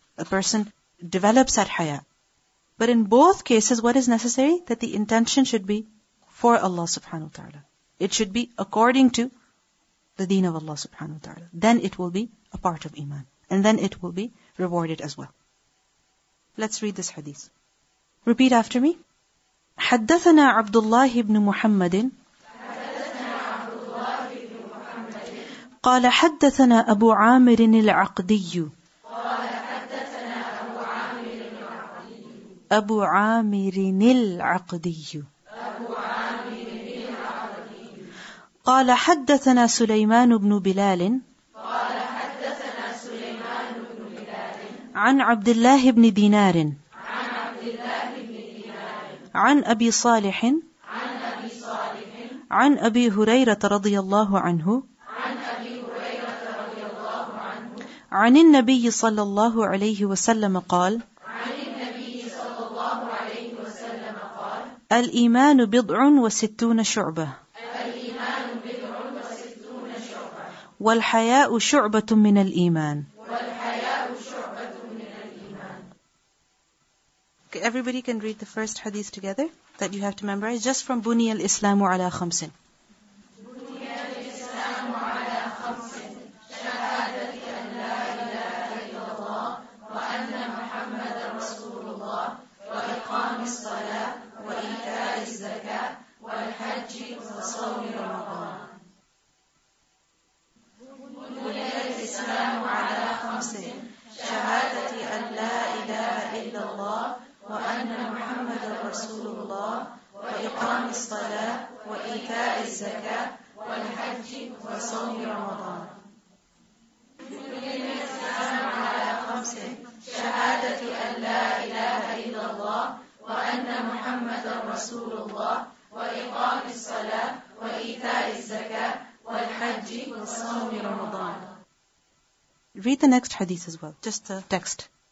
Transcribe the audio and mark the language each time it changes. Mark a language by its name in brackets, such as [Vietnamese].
[English] A person develops that haya. But in both cases, what is necessary? That the intention should be for Allah subhanahu wa ta'ala. It should be according to the deen of Allah subhanahu wa ta'ala. Then it will be a part of iman. And then it will be rewarded as well. Let's read this hadith. Repeat after me. [Arabic] حدثنا عبد الله بن محمد قال حدثنا أبو عامر العقدي أبو عامر العقدي قال حدثنا سليمان بن بلال عن عبد الله بن دينار عن أبي صالح عن أبي صالح عن أبي هريرة رضي الله عنه عن أبي هريرة رضي الله عنه عن النبي صلى الله عليه وسلم قال عن النبي صلى الله عليه وسلم قال الإيمان بضع وستون شعبة الإيمان بضع وستون شعبة والحياء شعبة من الإيمان. [English] Everybody can read the first hadith together that you have to memorize, just from [Arabic] Buniya al-Islamu ala khamsin. Buniya al-Islamu ala khamsin. Shahadati an la ilaha illallah wa anna Muhammad Rasulullah wa iqam al-salah wa ita al-zakah wa al-hajji wa sawmi Ramadan. Buniya al-Islamu ala khamsin. Shahadati an la ilaha illallah وأن محمد رسول الله وإقام الصلاة وإيتاء الزكاة والحج وصوم رمضان. الإسلام على خمس شهادة أن لا إله إلا الله وأن محمد رسول الله وإقام الصلاة وإيتاء الزكاة والحج وصوم رمضان. [English] Read the next hadith as well, just the text.